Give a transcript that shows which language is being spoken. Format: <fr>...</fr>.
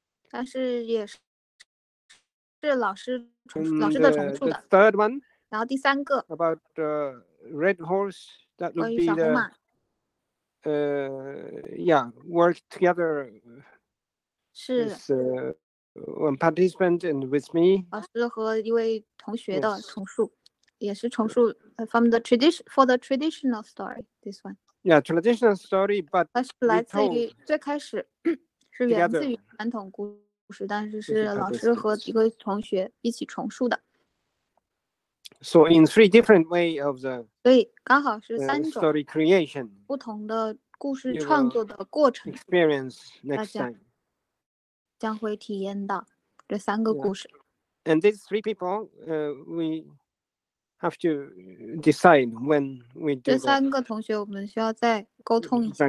<zh>但是也是老师重老师的重述的。</zh> <en>The third one,</en> <zh>然后第三个</zh> <en>about the red horse that would be the, work together.</en> <zh>是。</zh> <en>Is, one participant and with me.</en> <zh>老师和一位同学的重述， yes. 也是重述</zh> <en>from the tradition for the traditional story. This one. Yeah, traditional story, but</en> <zh>它是来自于最开始是源自于传统故事，但是是老师和一个同学一起重述的。</zh> <en>So in three different way of the</en> <zh>对，刚好是三种</zh> <en>story creation</en> <zh>不同的故事创作的过程。</zh> <en>Experience next time</en> <zh>将会体验到这三个故事。</zh> <en>Yeah. And these three people, we have to decide when we do</en> <zh>这三个同学，我们需要再沟通一下。</zh>